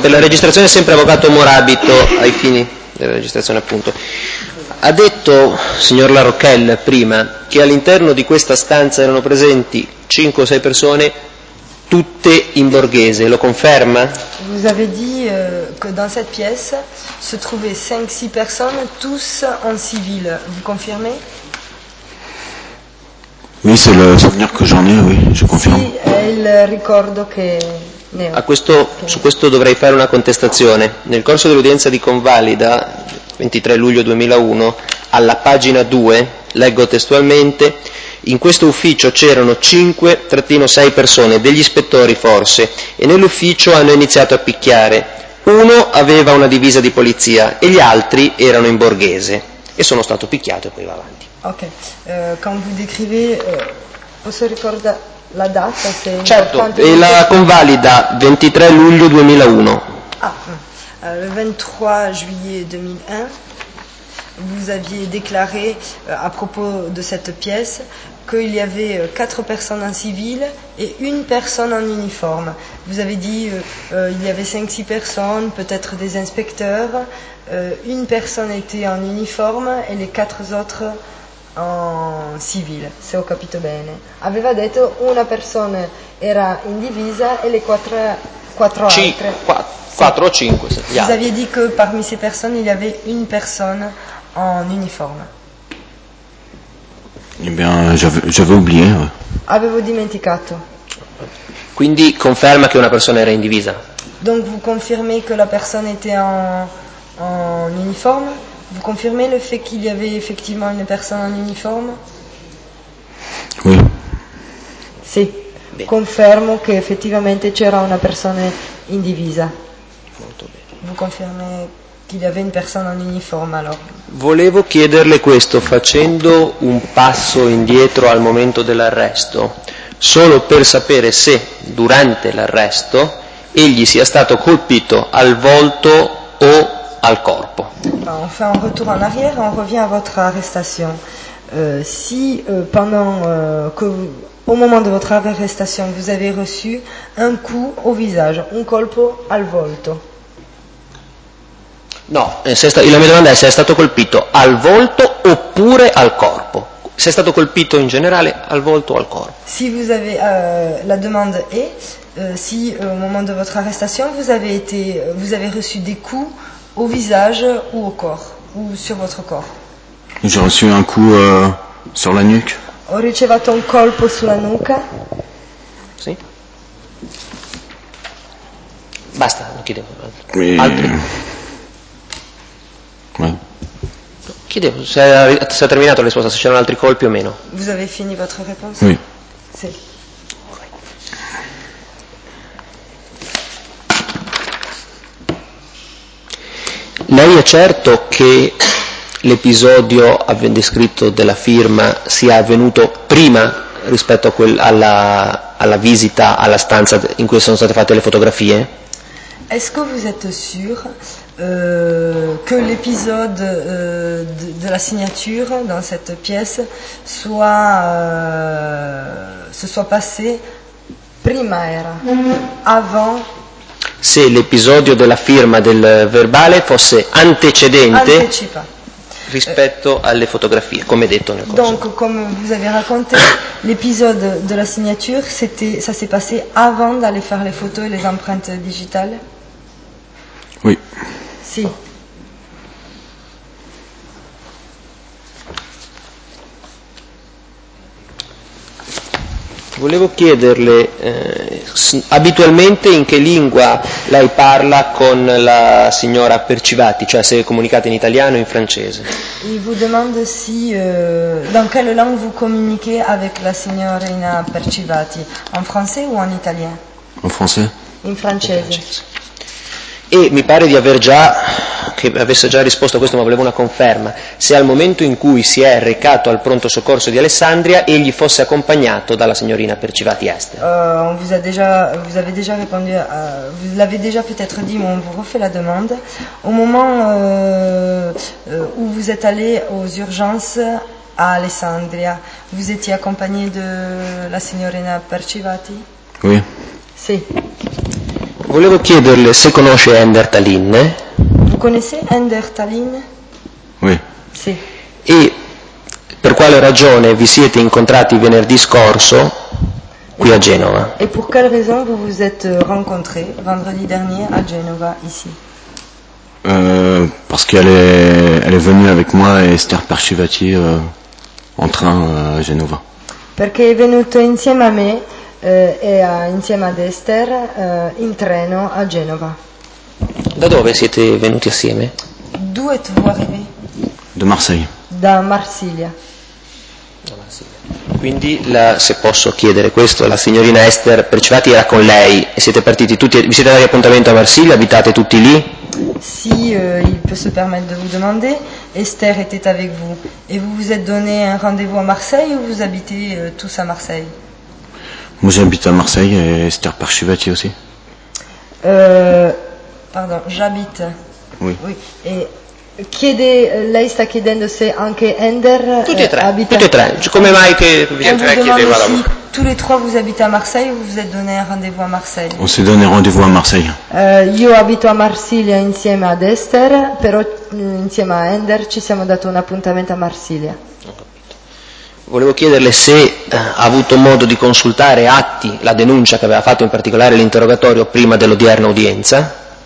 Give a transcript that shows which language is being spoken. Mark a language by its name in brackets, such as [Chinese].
[Italian] Per la registrazione è sempre avvocato Morabito ai fini della registrazione, appunto. Ha detto signor La Rochelle prima che all'interno di questa stanza erano presenti 5 o 6 persone tutte in borghese, lo conferma? [French] Vous avez dit que dans cette pièce se trouvaient 5-6 personnes tous en civil. Vous confirmez? Oui, c'est le souvenir que j'en ai, oui, je confirme. [Italian] Sì, è il ricordo che ne ho. A questo, su questo dovrei fare una contestazione. Nel corso dell'udienza di convalida 23 luglio 2001, alla pagina 2, leggo testualmente: in questo ufficio c'erano 5-6 persone, degli ispettori forse, e nell'ufficio hanno iniziato a picchiare. Uno aveva una divisa di polizia e gli altri erano in borghese. E sono stato picchiato e poi va avanti. Ok, quando vi descrivi, posso ricordare la data? Se è certo, è la convalida 23 luglio 2001. [French] Le 23 juillet 2001, vous aviez déclaré à propos de cette pièce qu'il y avait 4 personnes en civil et une personne en uniforme. Vous avez dit il y avait 5-6 personnes, peut-être des inspecteurs. Une personne était en uniforme et les 4 autres en civil. [Italian] Se ho capito bene. Aveva detto una persona era in divisa e le 4 altre. Quattro o cinque, se gli altri. [French] Vous aviez dit que parmi ces personnes il y avait une personne en uniforme. Eh bien, j'avais oublié. [Italian] Avevo dimenticato. Quindi conferma che una persona era in divisa. [French] Donc vous confirmez que la personne était en uniforme? Vous confirmez le fait qu'il y avait effectivement une personne en uniforme? Oui. [Italian] Sì. Bene. Confermo che effettivamente c'era una persona in divisa. Molto bene. [French] Vous confirmez qu'il y avait une personne en uniforme alors. [Italian] Volevo chiederle questo, facendo un passo indietro al momento dell'arresto, solo per sapere se durante l'arresto egli sia stato colpito al volto o al corpo. [French] On fait un retour en arrière, on revient à votre arrestation. Si pendant que vous, au moment de votre arrestation vous avez reçu un coup au visage, [Italian] un colpo al volto. No, la mia domanda è se è stato colpito al volto oppure al corpo. Se è stato colpito in generale al volto o al corpo. [French] Si vous avez [Italian] la domanda è [French] si au moment de votre arrestation vous avez reçu des coups au visage ou au corps ou sur votre corps. J'ai reçu un coup sur la nuque. [Italian] Ho ricevuto un colpo sulla nuca. Sì. Basta, non chiedevo altro. Chiedevo se ha terminato la risposta, se c'erano altri colpi o meno. [French] Vous avez fini votre réponse? Oui. [Italian] Sì. Lei è certo che l'episodio descritto della firma sia avvenuto prima rispetto a alla visita alla stanza in cui sono state fatte le fotografie? [French] Est-ce que vous êtes sûr que l'épisode de la signature dans cette pièce soit passé [Italian] prima era, [French] avant? [Italian] Se l'episodio della firma del verbale fosse antecedente. Anticipa. Rispetto alle fotografie, come detto nel corso. [French] Donc, comme vous avez raconté, l'épisode de la signature, ça s'est passé avant d'aller faire les photos et les empreintes digitales. Oui. [Italian] Si. Volevo chiederle, abitualmente in che lingua lei parla con la signora Percivati, cioè se comunicate in italiano o in francese? [French] Il vous demande si, dans quelle langue vous communiquez avec la signorina Percivati, en français ou en italien? En français. [Italian] In francese. E mi pare di aver già, che avesse già risposto a questo, ma volevo una conferma, se al momento in cui si è recato al pronto soccorso di Alessandria egli fosse accompagnato dalla signorina Percivati Ester. [French] Vous l'avez déjà peut-être dit, mais on vous refait la demande. Au moment où vous êtes allé aux urgences à Alessandria. Vous étiez accompagné de la signorina Percivati? Oui. [Italian] Sì. Volevo chiederle se conosce Ender Tallinn. [French] Vous connaissez Ender Tallinn? Oui. [Italian] Sì. E per quale ragione vi siete incontrati venerdì scorso qui a Genova? [French] Et pour quelle raison vous vous êtes rencontrés vendredi dernier à Genova ici? Parce qu'elle est venue avec moi et Esther Percivati en train à Genova. [Italian] Perché è venuto insieme a me insieme ad Esther in treno a Genova. Da dove siete venuti assieme? Dove [French] êtes vous arrivés? De Marseille. [Italian] Da Marsiglia. Quindi la, se posso chiedere questo, la signorina Esther Percivati era con lei e siete partiti tutti, vi siete dati appuntamento a Marsiglia, abitate tutti lì? [French] Si, il peut se permettre de vous demander, Esther était avec vous et vous vous êtes donné un rendez-vous à Marseille ou vous habitez tous à Marseille? Moi j'habite à Marseille et Esther Percivati aussi. Pardon, j'habite. Oui. Oui. Et [Italian] chiede, lei sta chiedendo se anche Ender tutti e tre, abita. Tutti e tre. Come mai che Ender chiedeva la voce? [French] Tous les trois vous habitez à Marseille ou vous êtes donné un rendez-vous à Marseille? On s'est donné rendez-vous à Marseille. [Italian] Io abito a Marsiglia insieme ad Esther, però insieme a Ender ci siamo dato un appuntamento a Marsiglia. Volevo chiederle se ha avuto modo di consultare atti, la denuncia che aveva fatto, in particolare l'interrogatorio, prima dell'odierna udienza.